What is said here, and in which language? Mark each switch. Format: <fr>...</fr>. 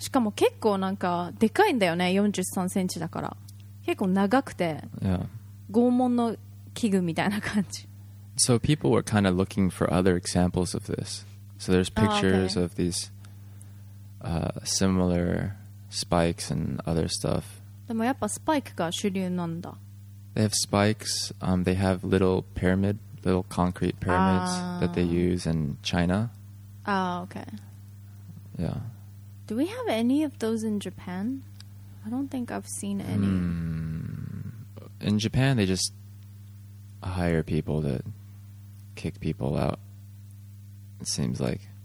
<ja>しかも結構なんかでかいんだよね。 43センチだから。結構長くて。</ja> <en>Yeah.</en> <ja>拷問の器具みたいな感じ。</ja> <en>So people were kind of looking for other examples of this. So there's pictures of these similar spikes and other stuff.</en> <ja>でもやっぱスパイクが主流なんだ。</ja> <en>They have spikes. They have little concrete pyramids that they use in China. Okay. Yeah. Do we have any of those in Japan? I don't think I've seen any. In Japan, they just hire people to kick people out, it seems like.</en>